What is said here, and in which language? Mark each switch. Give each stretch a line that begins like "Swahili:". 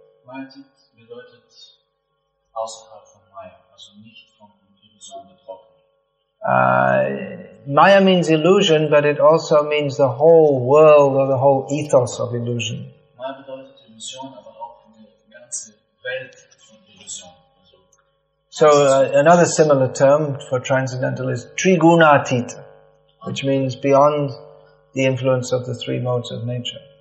German: Maya Atit bedeutet außerhalb von Maya, also nicht von Illusion betroffen.
English: Maya means illusion, but it also means the whole world or the whole ethos of illusion.
German: Maya bedeutet Illusion, aber auch die ganze Welt von Illusion.
English: So another similar term for transcendental is Trigunatit, which means beyond the influence of the three modes of nature.